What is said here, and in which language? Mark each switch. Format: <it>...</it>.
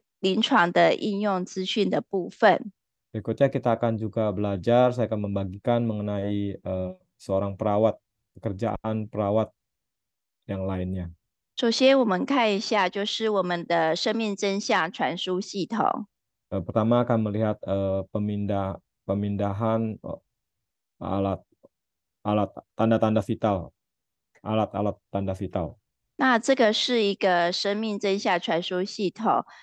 <zh>那再来的话，我们就来看看其他的相关的一个护理临床的应用资讯的部分。</zh> <id>Berikutnya kita akan juga belajar, saya akan membagikan mengenai seorang perawat, pekerjaan perawat yang lainnya.</id> <zh>首先我们看一下就是我们的生命真相传输系统。</zh> <id>Pertama akan melihat pemindahan alat-alat tanda vital.</id> <zh>那这个是一个生命真相传输系统。</zh>